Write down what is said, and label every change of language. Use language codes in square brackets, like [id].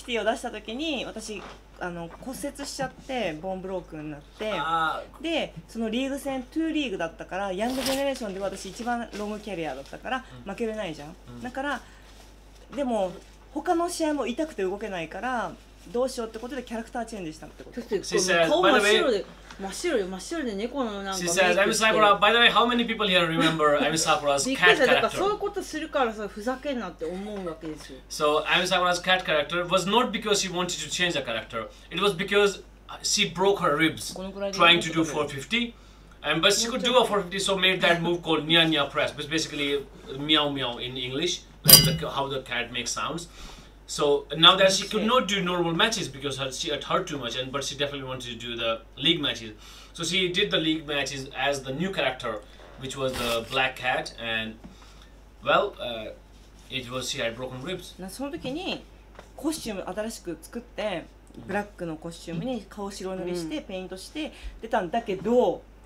[ja] を出した時に私あの骨折しちゃってボーンブロークになって、でそのリーグ戦2リーグだったから、ヤングジェネレーションで私一番ロングキャリアだったから負けれないじゃん、うん、だからでも他の試合も痛くて動けないからどうしようってことでキャラクターチェンジしたってこと。顔真っ白で、真っ白で猫のなんか。 [en] She says, Am Sakura, by the way, how many people here remember Am Sakura's cat character? [ja] だからそういうことするからさ、ふざけんなって思うわけですよ。 [en] So Am Sakura's cat character was not because she wanted to change the character. It was because she broke her ribs trying to do 450. And, but she could do a 450, so made that move called Nya Nya Press, which is basically meow meow in English, like how the cat makes sounds. So now that she could not do normal matches because she had hurt too much, but she definitely wanted to do the league matches. So she did the league matches as the new character, which was the black cat. And well, it was she had broken ribs. [ja] その時にコスチューム新しく作って、ブラックのコスチュームに顔白塗りしてペイントして出たんだけど、